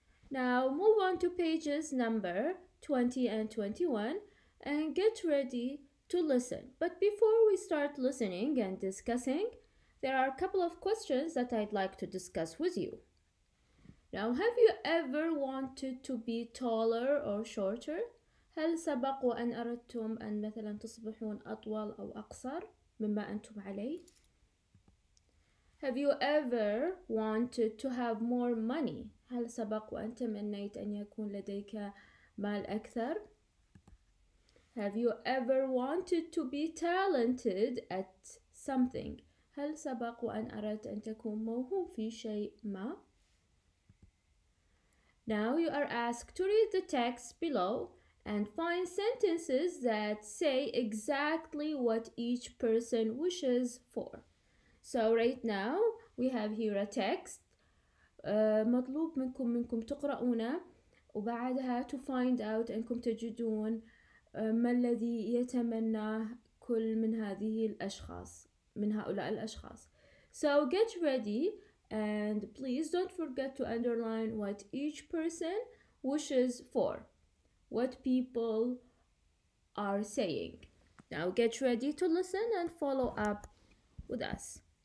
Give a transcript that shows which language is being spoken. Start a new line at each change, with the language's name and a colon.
English: Now move on to pages number 20 and 21 and get ready to listen. But before we start listening and discussing, there are a couple of questions that I'd like to discuss with you. Now, have you ever wanted to be taller or shorter?
Arabic: هل سبق وأن أردتم أن مثلا تصبحون أطول أو أقصر مما أنتم عليه؟
English: Have you ever wanted to have more money?
Arabic: هل سبق وأن تمنيت أن يكون لديك مال أكثر؟
English: Have you ever wanted to be talented at something?
Arabic: هل سبق وأن أردت أن تكون موهوب في شيء ما؟
English: Now you are asked to read the text below and find sentences that say exactly what each person wishes for. So right now we have here a text.
Arabic: مطلوب منكم تقرؤونه وبعدها
English: to find out
Arabic: أنكم تجدون ما الذي يتمناه كل من هذه الأشخاص من هؤلاء الأشخاص.
English: So get ready and please don't forget to underline what each person wishes for, what people are saying. Now get ready to listen and follow up with us.